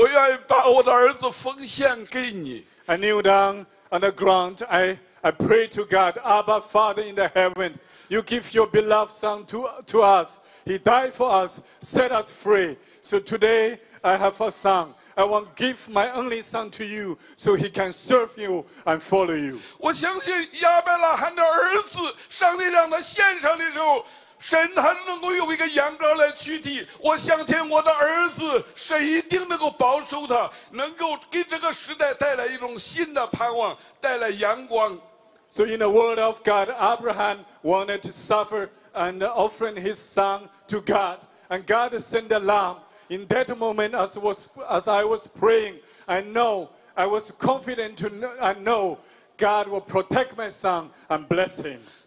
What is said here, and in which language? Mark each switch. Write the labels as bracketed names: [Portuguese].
[Chinese] 我说阿爸父神，你爱我们，把你的独生爱子为我们被钉在十字架上死了。我现在没有什么可以献上的，我愿意把我的儿子奉献给你。 [English] I kneel down on the ground. I pray to God, Abba Father in the heaven, you give your beloved son to us. He died for us, set us free. So today, I have a son. I want to give my only son to you so he can serve you and follow you. [Chinese] 我相信亚伯拉罕的儿子上帝让他献上的时候，神他能够用一个羊羔来取替。我相信我的儿子，神一定能够保守他，能够给这个时代带来一种新的盼望，带来阳光。 [English] So in the word of God, Abraham wanted to suffer and offering his son to God. And God sent a lamb. In that moment, as I was praying, I was confident to know God will protect my son and bless him.